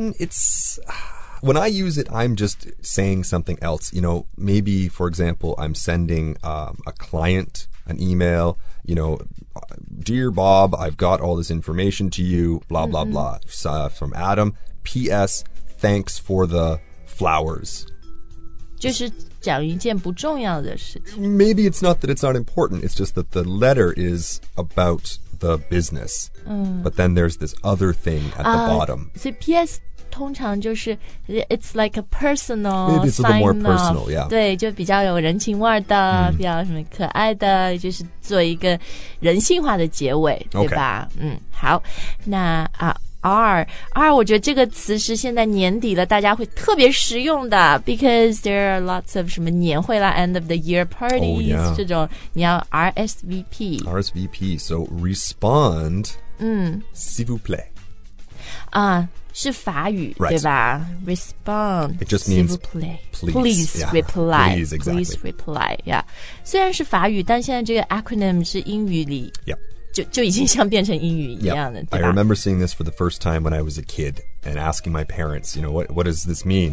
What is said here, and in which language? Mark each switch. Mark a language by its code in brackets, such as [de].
[en] It's When I use it I'm just saying something else You know Maybe for example I'm sending、a client An email You know Dear Bob I've got all this information to you Blah blah blah、from Adam P.S. Thanks for the flowers [zh] 就是讲一件不重要的事情 [en] Maybe it's not that it's not important It's just that the letter is aboutThe business,、but then there's this other thing at the bottom. So PS [zh] 通常就是 [en] it's like a personal. Maybe it's a little more personal, yeah. [zh] 对，就比较有人情味的，比较什么可爱的，就是做一个人性化的结尾，对吧？ [en] Okay. [zh] 好，那啊 R， 我觉得这个词是现在年底了，大家会特别实用的 ， [en] because there are lots of 什么年会啦 ，end of the year parties、 oh, yeah. [zh] 这种，你要 RSVP。 [en] RSVP， so respond. [fr] S'il vous plaît. [zh] 啊，是法语、 [en] right. [zh] 对吧 ？Respond. [en] It just means [fr] s'il vous plaît. [en] Please, yeah. reply. Please, exactly. Please reply. Yeah. [zh] 虽然是法语，但现在这个 acronym 是英语里。 [en] Yep. [zh] 就已经像变成英语一样了、 [en] yep. I remember seeing this for the first time when I was a kid and asking my parents, you know, what does this mean?